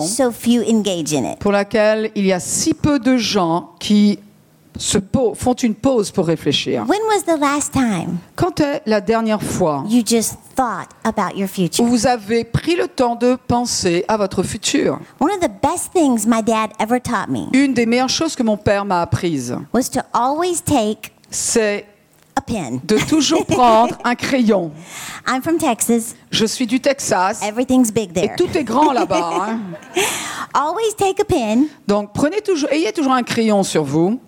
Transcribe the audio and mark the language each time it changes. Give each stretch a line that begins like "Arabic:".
English: so few engage in it.
French: Pour laquelle il y a si peu de gens qui font une pause pour réfléchir.
English: When was the last time?
French: Quand est la dernière fois?
English: You just thought about your future.
French: Vous avez pris le temps de penser à votre futur.
English: One of the best things my dad ever taught me.
French: Une des meilleures choses que mon père m'a apprise.
English: Was to always take.
French: C'est
English: a pen.
French: De toujours prendre un crayon.
English: I'm from Texas.
French: Je suis du Texas.
English: Everything's big there.
French: Et tout est grand là-bas. Hein.
English: Always take a pen.
French: Donc prenez toujours, ayez toujours un crayon sur vous.